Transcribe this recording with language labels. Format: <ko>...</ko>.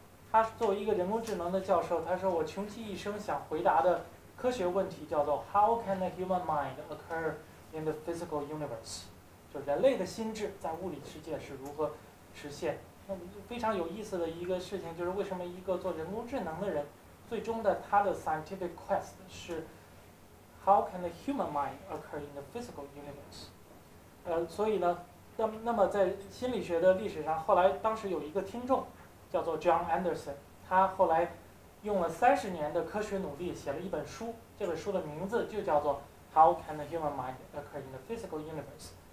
<zh>他作为一个人工智能的教授，他说：“我穷其一生想回答的科学问题叫做</zh> <en>‘How can the human mind occur in the physical universe？’</en> <zh>就人类的心智在物理世界是如何实现？那非常有意思的一个事情就是，为什么一个做人工智能的人，最终的他的</zh> <en>scientific quest</en> <zh>是？”</zh> <en>How can the human mind occur in the physical universe？</en> <zh>所以呢，那么在心理学的历史上，后来当时有一个听众叫做 John Anderson， 他后来用了30年的科学努力写了一本书，这本书的名字就叫做 How can the human mind occur in the physical universe？</zh>